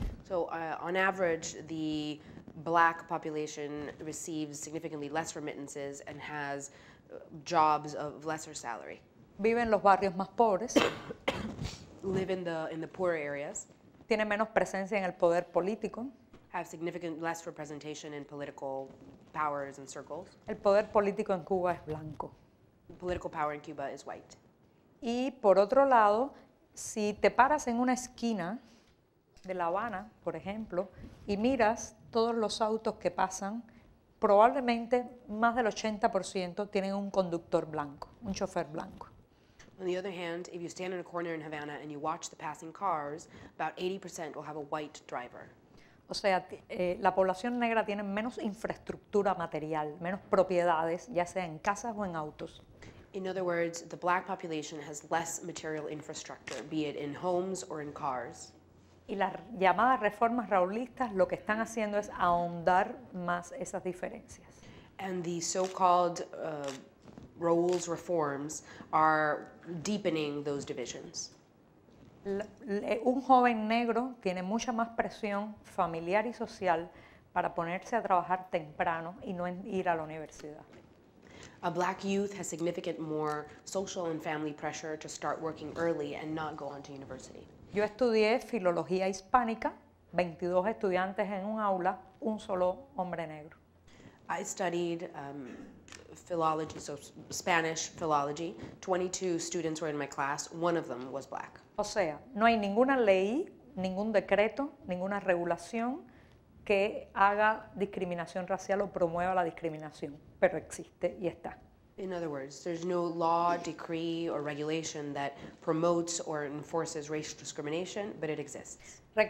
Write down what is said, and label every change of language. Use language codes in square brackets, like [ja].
[en] So, on average, the black population receives significantly less remittances and has jobs of lesser salary. [es] Vive en los barrios más pobres. [en] Live in the poor areas. [es] Tiene menos presencia en el poder político. [en] Have significant less representation in political powers and circles. [es] El poder político en Cuba es blanco. [en] Political power in Cuba is white. [es] Y por otro lado, si te paras en una esquina de La Habana, por ejemplo, y miras todos los autos que pasan, probablemente más del 80% tienen un conductor blanco, un chofer blanco. [en] On the other hand, if you stand in a corner in Havana and you watch the passing cars, about 80% will have a white driver. [es] O sea, la población negra tiene menos infraestructura material, menos propiedades, ya sea en casas o en autos. [en] In other words, the black population has less material infrastructure, be it in homes or in cars. [es] Y las llamadas reformas raulistas lo que están haciendo es ahondar más esas diferencias. [en] And the so-called roles reforms are deepening those divisions. [es] Un joven negro tiene mucha más presión familiar y social para ponerse a trabajar temprano y no ir a la universidad. [en] A black youth has significant more social and family pressure to start working early and not go on to university. [es] Yo estudié filología hispánica, 22 estudiantes en un aula, un solo hombre negro. [en] I studied philology, so Spanish philology. 22 students were in my class, one of them was black. [es] O sea, no hay ninguna ley, ningún decreto, ninguna regulación que haga discriminación racial o promueva la discriminación, pero existe y está. [en] In other words, there's no law, decree, or regulation that promotes or enforces racial discrimination, but it exists.